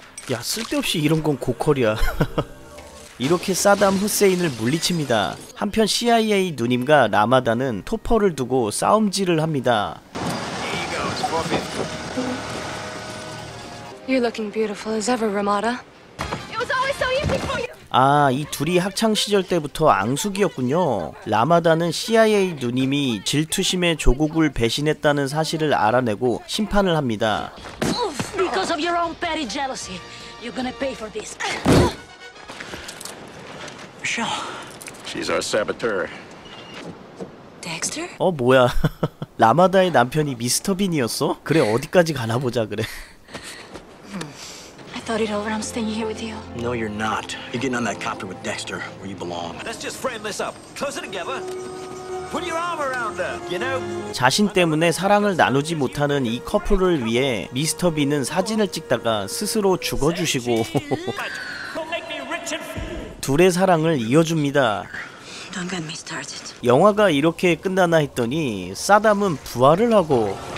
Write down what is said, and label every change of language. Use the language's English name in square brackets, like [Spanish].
[Korean] 야, 쓸데없이 이런 건 고퀄이야. 이렇게 사담 후세인을 물리칩니다. 한편 CIA 누님과 라마다는 토퍼를 두고 싸움질을 합니다. [English] You're looking beautiful as ever, Ramada. It was always so easy for you. [Korean] 아, 이 둘이 학창 시절 때부터 앙숙이었군요. 라마다는 CIA 누님이 질투심에 조국을 배신했다는 사실을 알아내고 심판을 합니다. [English] Because of your own petty jealousy. You're gonna pay for this. Michelle. She's our saboteur. Dexter? [Korean] 어, 뭐야. 라마다의 남편이 미스터 빈이었어? 그래, 어디까지 가나 보자 그래. [English] I thought it over. I'm staying here with you. No, you're not. You're getting on that copter with Dexter where you belong. Let's just frame this up. Close it together. Put your arm around her, you know? [Korean] 자신 때문에 사랑을 나누지 못하는 이 커플을 위해 미스터 빈은 사진을 찍다가 스스로 죽어주시고 둘의 사랑을 이어줍니다. 영화가 이렇게 끝나나 했더니 사담은 부활을 하고.